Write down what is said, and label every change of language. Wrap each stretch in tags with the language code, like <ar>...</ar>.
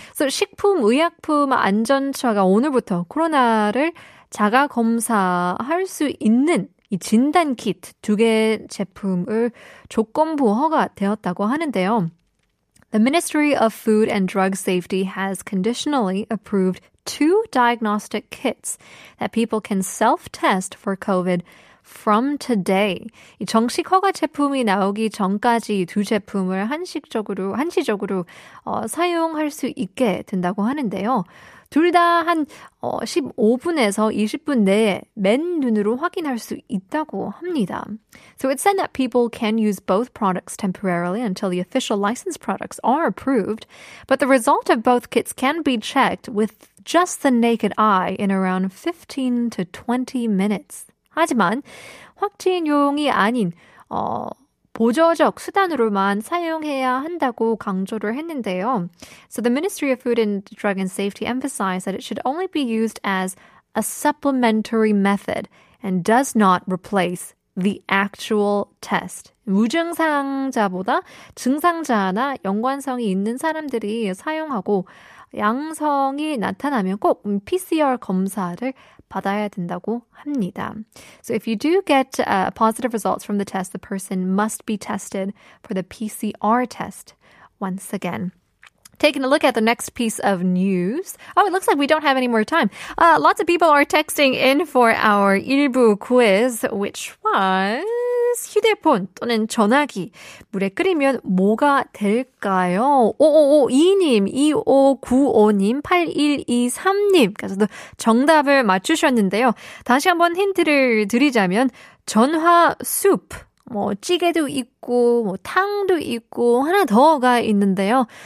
<ko>So 식품 의약품 안전처가 오늘부터 코로나를 자가 검사할 수 있는 이 진단 키트 두 개 제품을 조건부 허가되었다고 하는데요.</ko> <en>The Ministry of Food and Drug Safety has conditionally approved two diagnostic kits that people can self-test for COVID from today.</en> <ko>이 정식 허가 제품이 나오기 전까지 두 제품을 한시적으로 사용할 수 있게 된다고 하는데요. 둘 다 한 15분에서 20분 내에 맨 눈으로 확인할 수 있다고 합니다.</ko> <en>So it's said that people can use both products temporarily until the official licensed products are approved, but the result of both kits can be checked with just the naked eye in around 15 to 20 minutes.</en> <ko>하지만 확진용이 아닌 보조적 수단으로만 사용해야 한다고 강조를 했는데요.</ko> <en>So the Ministry of Food and Drug and Safety emphasized that it should only be used as a supplementary method and does not replace the actual test.</en> <ko>무증상자보다 증상자나 연관성이 있는 사람들이 사용하고 양성이 나타나면 꼭 PCR 검사를 받아야 된다고 합니다.</ko> <en>So if you do get positive results from the test, the person must be tested for the PCR test once again. Taking a look at the next piece of news. Oh, it looks like we don't have any more time. Lots of people are texting in for our 일부 quiz, which was</en> <ko>휴대폰 또는 전화기. 물에 끓이면 뭐가 될까요? 5552님, 2595님, 8123님까지도 정답을 맞추셨는데요. 다시 한번 힌트를 드리자면 전화 숲. 뭐 찌개도 있고 뭐 탕도 있고 하나 더가 있는데요.</ko>